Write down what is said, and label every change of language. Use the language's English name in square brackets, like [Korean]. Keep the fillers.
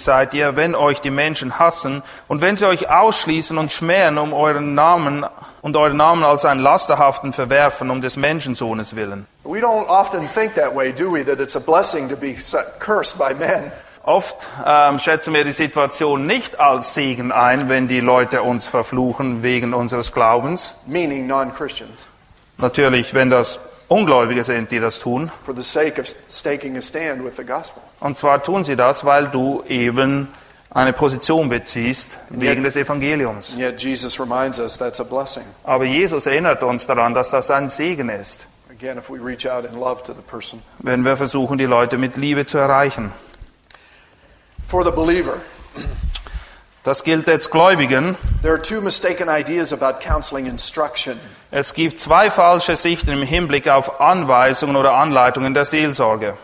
[German] seid ihr, wenn euch die Menschen hassen und wenn sie euch ausschließen und schmähen um euren Namen und euren Namen als einen lasterhaften verwerfen um des Menschensohnes willen. [English] We don't often think that way, do we? That it's a blessing to be cursed by men. [German] Oft ähm, schätzen wir die Situation nicht als Segen ein, wenn die Leute uns verfluchen wegen unseres [English] Glaubens. Meaning non-Christians. [German] Natürlich, wenn das Ungläubige sind, die das tun. und zwar tun sie das, weil du eben eine Position beziehst wegen yet, des Evangeliums. [English] Jesus us, [German] Aber Jesus erinnert uns daran, dass das ein Segen ist. [English] Again, we [German] wenn wir versuchen, die Leute mit Liebe zu erreichen. Das gilt jetzt Gläubigen. [English] There are two mistaken ideas about counseling instruction. [German] Es gibt zwei falsche Sichten im Hinblick auf Anweisungen oder Anleitungen der Seelsorge.